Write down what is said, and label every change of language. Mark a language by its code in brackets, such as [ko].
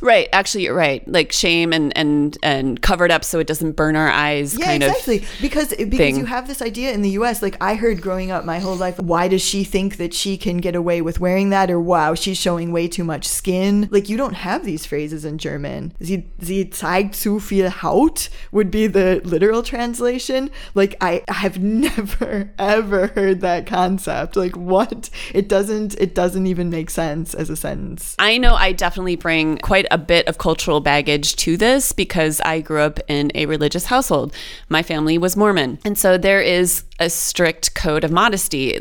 [en] Right. Actually, you're right. Like shame and covered up so it doesn't burn our eyes. Yeah, kind exactly. Of because thing. You have this idea in the U.S. Like I heard growing up my whole life, why does she think that she can get away with wearing that? Or wow, she's showing way too much skin. Like you don't have these phrases in German. [de] Sie zeigt zu viel Haut [en] would be the literal translation. Like I've never ever heard that concept. Like what? It doesn't even make sense as a sentence. I know I definitely bring quite a bit of cultural baggage to this because I grew up in a religious household. My family was Mormon. And so there is a strict code of modesty.